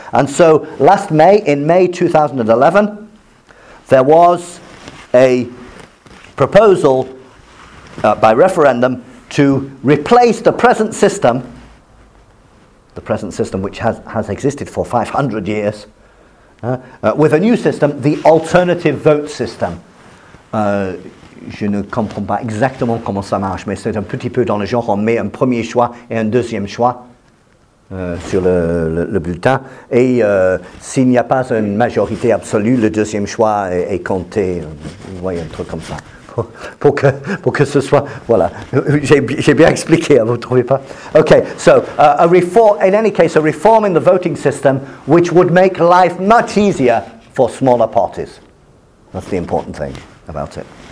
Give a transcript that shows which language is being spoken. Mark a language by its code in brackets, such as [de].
[en] And so, last May, in May 2011, there was a proposal by referendum to replace the present system which has existed for 500 years, with a new system, the alternative vote system. [fr] Je ne comprends pas exactement comment ça marche, mais c'est un petit peu dans le genre, on met un premier choix et un deuxième choix sur le bulletin, et s'il n'y a pas une majorité absolue, le deuxième choix est compté, vous voyez, un truc comme ça, pour que ce soit, voilà, j'ai bien expliqué, vous ne trouvez pas? [en] Okay, so, a reform in the voting system which would make life much easier for smaller parties. That's the important thing about it.